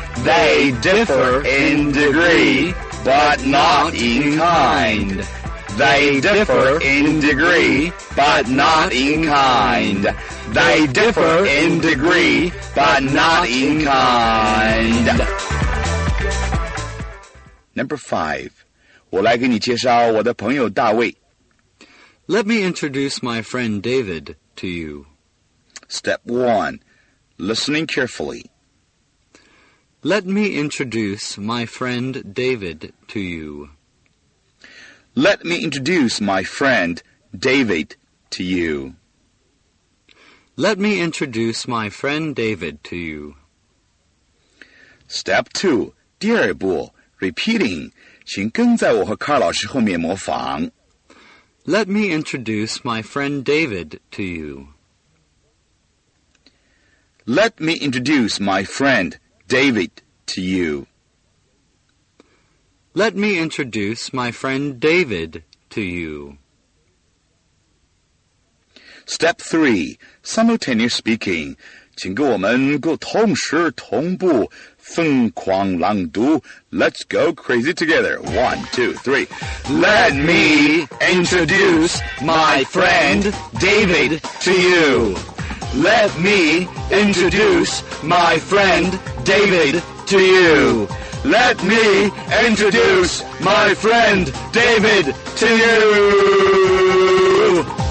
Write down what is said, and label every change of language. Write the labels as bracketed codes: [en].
[en] They differ in degree, but not in kind. They differ in degree, but not in kind. They differ in degree, but not in kind. Number 5. [zh] 我来给你介绍我的朋友大卫. [en] Let me introduce my friend David to you. Step 1. Listening carefully. Let me introduce my friend David to you. Let me introduce my friend David to you. Let me introduce my friend David to you. Step 2. 第二步, repeating. [zh] 请跟在我和卡老师后面模仿. [en] Let me introduce my friend David to you. Let me introduce my friend David to you. Let me introduce my friend David to you. Step 3. Simultaneous speaking. [zh] 请跟我们沟通时同步疯狂朗读. [en] Let's go crazy together. 1, 2, 3. Let me introduce my friend David to you. Let me introduce my friend David to you. Let me introduce my friend David to you.